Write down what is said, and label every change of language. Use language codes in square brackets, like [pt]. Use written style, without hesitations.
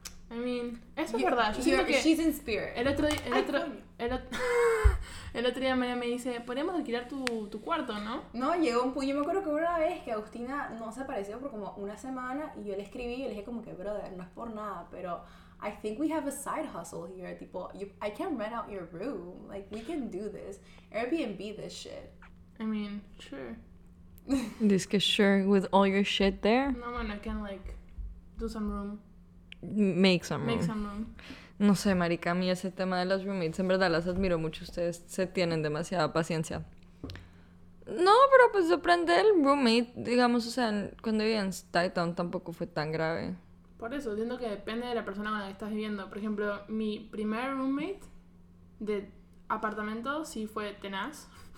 [en] I mean, [es] eso es verdad. Yo siento que [en] she's in spirit. [es] El otro día María me dice, podríamos alquilar tu cuarto, ¿no? No, llegó un punto. Yo me acuerdo que una vez que Agustina no se apareció por como una semana y yo le escribí y le dije como que, brother, no es por nada, pero... [en] I think we have a side hustle here. Tipo, I can rent out your room. Like, we can do this. Airbnb this shit. I mean, sure. This is sure with all your shit there? No, man, I can, like, do some room. Make some room. [es] No sé, marica, a mí ese tema de las roommates, en verdad las admiro mucho. Ustedes se tienen demasiada paciencia. No, pero pues depende del roommate. Digamos, o sea, cuando vivía en Titan tampoco fue tan grave. Por eso, siento que depende de la persona con la que estás viviendo. Por ejemplo, mi primer roommate de apartamento sí fue tenaz.